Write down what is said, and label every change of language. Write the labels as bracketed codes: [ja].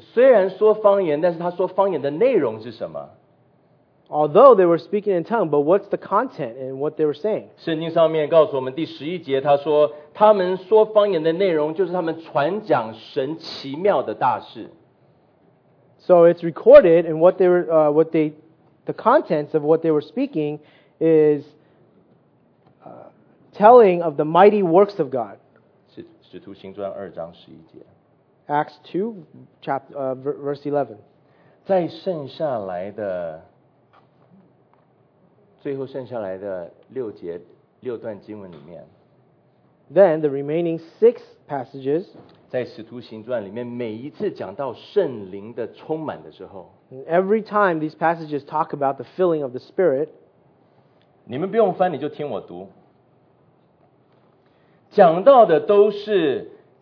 [zh] 虽然说方言，但是他说方言的内容是什么？ [en] Although they were speaking in tongue, but what's the content and what they were saying? [zh] 圣经上面告诉我们第十一节，他说他们说方言的内容就是他们传讲神奇妙的大事。 [en] So it's recorded, and what they were, what they, the contents of what they were speaking is telling of the mighty works of God. [zh] 使徒行传二章十一节。 [en] Acts 2, verse 11. [zh] 在剩下来的最后剩下来的六节六段经文里面。 [en] Then the remaining six passages. [zh] 在使徒行传里面每一次讲到圣灵的充满的时候。 [en] Every time these passages talk about the filling of the Spirit. [zh] 你们不用翻，你就听我读。讲到的都是。